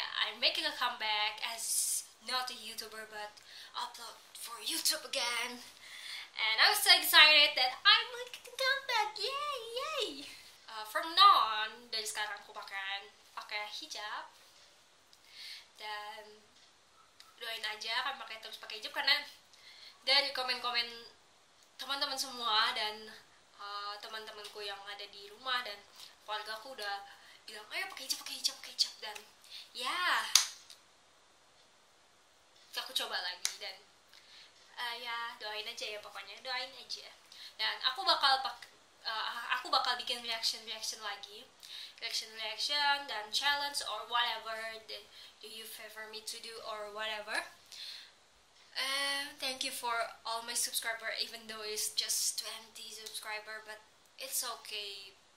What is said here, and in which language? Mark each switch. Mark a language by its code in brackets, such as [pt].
[en] I'm making a comeback as not a YouTuber, but upload for YouTube again. And I'm so excited that I'm making a comeback. Yay, yay! From now on, [id] dari sekarang aku pakai hijab. Dan doain aja akan pakai terus pakai hijab karena dari komen-komen teman-teman semua dan teman-temanku yang ada di rumah dan keluarga aku udah bilang, ayo pakai hijab dan ya, yeah, aku coba lagi dan ya doain aja ya pokoknya doain aja dan aku bakal bikin reaction lagi, reaction dan challenge [en] or whatever that do you favor me to do or whatever. Thank you for all my subscriber, even though it's just 20 subscriber, but it's okay.